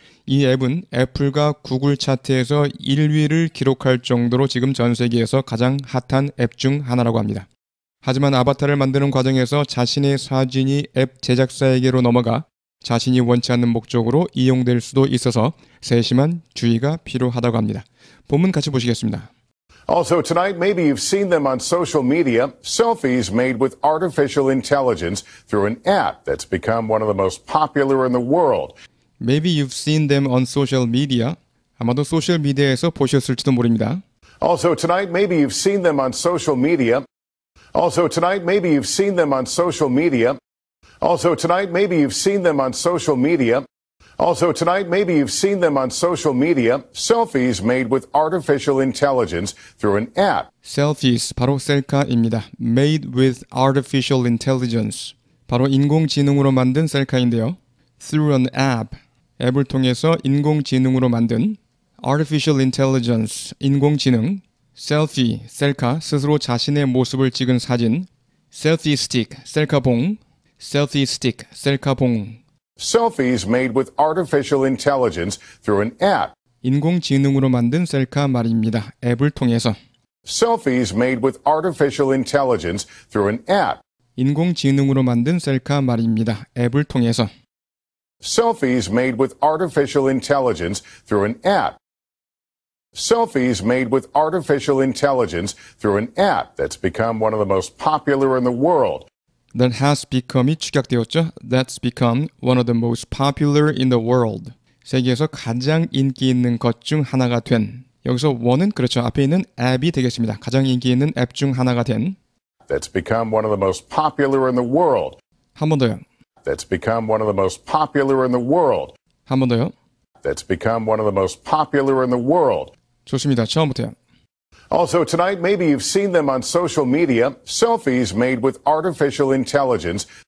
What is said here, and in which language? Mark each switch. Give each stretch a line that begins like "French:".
Korean: 이 앱은 애플과 구글 차트에서 1위를 기록할 정도로 지금 전 세계에서 가장 핫한 앱 중 하나라고 합니다. 하지만 아바타를 만드는 과정에서 자신의 사진이 앱 제작사에게로 넘어가 자신이 원치 않는 목적으로 이용될 수도 있어서 세심한 주의가 필요하다고 합니다. 본문 같이 보시겠습니다.
English: Also tonight, maybe you've seen them on social media, selfies made with artificial intelligence through an app that's become one of the most popular in the world. Maybe you've seen them on social media.
Korean: 아마도 소셜 미디어에서 보셨을지도 모릅니다.
English: Also tonight, maybe you've seen them on social media. Also tonight, maybe you've seen them on social media. Also tonight, maybe you've seen them on social media. Also tonight, maybe you've seen them on social media. Selfies made with artificial intelligence through an app. Selfies,
Korean: 바로 셀카입니다.
English: Made with artificial intelligence.
Korean: 바로 인공지능으로 만든 셀카인데요.
English: Through an app.
Korean: 앱을 통해서 인공지능으로 만든
English: artificial intelligence,
Korean: 인공지능. Selfie, 셀카, 스스로 자신의 모습을 찍은 사진.
English: Selfie stick, 셀카봉. Selfie stick, 셀카봉. Selfies made with artificial intelligence through an app.
Korean: 인공지능으로 만든 셀카 말입니다. 앱을 통해서.
English: Selfies made with artificial intelligence through an app.
Korean: 인공지능으로 만든 셀카 말입니다. 앱을 통해서.
English: Selfies made with artificial intelligence through an app. Selfies made with artificial intelligence through an app that's become one of the most popular in the world. That has become이
Korean: 축약되었죠.
English: That's become one of the most popular in the world.
Korean: 세계에서 가장 인기 있는 것 중 하나가 된. 여기서 one은 그렇죠. 앞에 있는 app이 되겠습니다. 가장 인기 있는 app 중 하나가 된.
English: That's become one of the most popular in the world.
Korean: 한 번 더요.
English: That's become one of the most popular in the world.
Korean: 한 번 더요.
English: That's become one of the most popular in the world.
Korean: 좋습니다. 처음부터요.
English: Also tonight, maybe you've seen them on social media, selfies made with artificial intelligence.